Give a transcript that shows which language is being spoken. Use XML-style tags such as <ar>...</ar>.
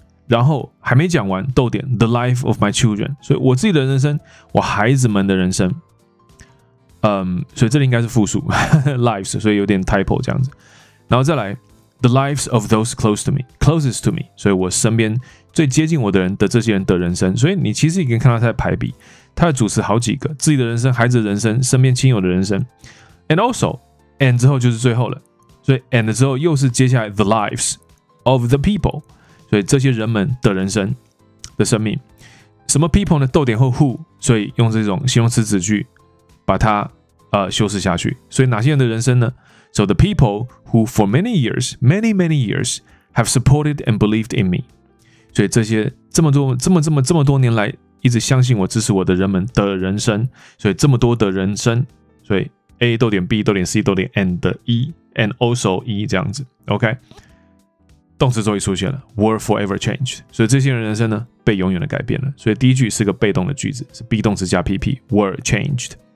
<zh>然后还没讲完，逗点 ，</zh> <en>the life of my children，</en> <zh>所以我自己的人生，我孩子们的人生，所以这里应该是复数lives， 所以有点 typo 这样子，然后再来</zh> <en>the lives of those close to me， closest to me，</en> <zh>所以我身边最接近我的人的这些人的人生，所以你其实已经看到他在排比，他的主词好几个，自己的人生、孩子的人生、身边亲友的人生 ，</zh> <en>and also</en> <zh>and 之后就是最后了，所以 and 之后又是接下来</zh> <en>the lives of the people。</en> <zh>所以这些人们的人生的生命，什么 people 呢？逗点后 who， 所以用这种形容词子句把它修饰下去。所以哪些人的人生呢</zh> <en>？So the people who for many years, many many years have supported and believed in me。</en> <zh>所以这些这么多年来一直相信我、支持我的人们的人生。所以这么多的人生，所以 A 逗点 B 逗点 C 逗点 and E and also E 这样子 ，OK。动词终于出现了 ，</zh> <en>were forever changed，</en> <zh>所以这些人人生呢被永远的改变了。所以第一句是个被动的句子，是 be 动词加 PP were changed。</zh>